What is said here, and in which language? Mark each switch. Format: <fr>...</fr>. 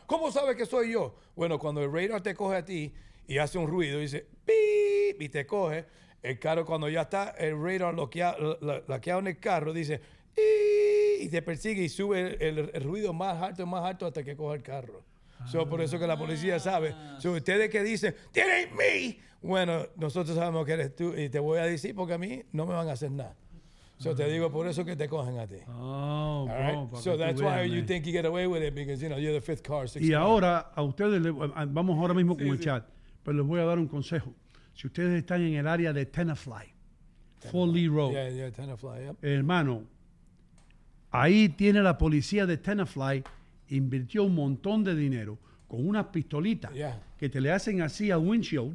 <es>¿Cómo sabes que soy yo? Bueno, cuando el radar te coge a ti y hace un ruido, dice, beep, y te coge, el carro cuando ya está, el radar lo que ha en el carro, dice, y te persigue y sube el ruido más alto hasta que coja el carro. So, por eso que la policía sabe. So, ustedes que dicen,</es> <en>¡that ain't me!</en> <es>Bueno, nosotros sabemos que eres tú y te voy a decir porque a mí no me van a hacer nada. So te digo por eso que te cogen a ti.</es> <en>Oh, all right? So that's why you think you get away with it because, you know, you're the fifth car, sixth</en> <es>car. Y ahora, a ustedes, vamos ahora mismo con el chat, pero les voy a dar un consejo. Si ustedes están en el área de Tenafly, Fort Lee Road.</es> <en>Yeah, yeah, Tenafly, yep.</en> <es>Hermano, ahí tiene la policía de Tenafly, invirtió un montón de dinero con unas pistolitas que te le hacen así a windshield.</es>